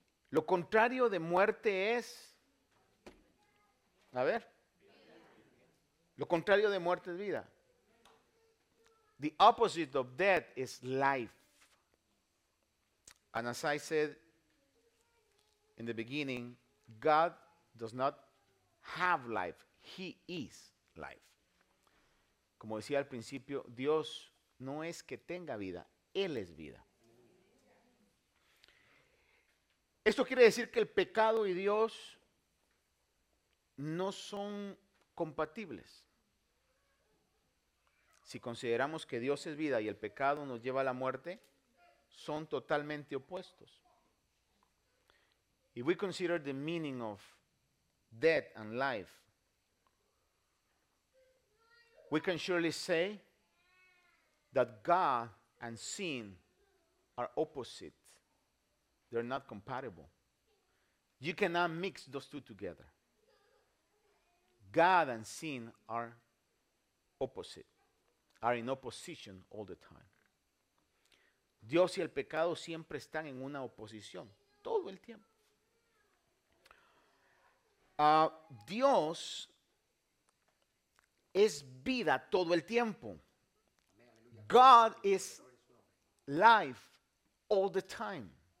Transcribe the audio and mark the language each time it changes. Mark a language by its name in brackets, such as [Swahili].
[Spanish] Lo contrario de muerte es, a ver, lo contrario de muerte es vida. [English] The opposite of death is life. And as I said in the beginning, God does not have life. He is life. [Spanish] Como decía al principio, Dios no es que tenga vida, Él es vida. Esto quiere decir que el pecado y Dios no son compatibles. Si consideramos que Dios es vida y el pecado nos lleva a la muerte, son totalmente opuestos. [English] If we consider the meaning of death and life, we can surely say that God and sin are opposite. They're not compatible. You cannot mix those two together. God and sin are opposite, are in opposition all the time. [Spanish] Dios y el pecado siempre están en una oposición, todo el tiempo. Dios es vida todo el tiempo. [English] God is life all the time.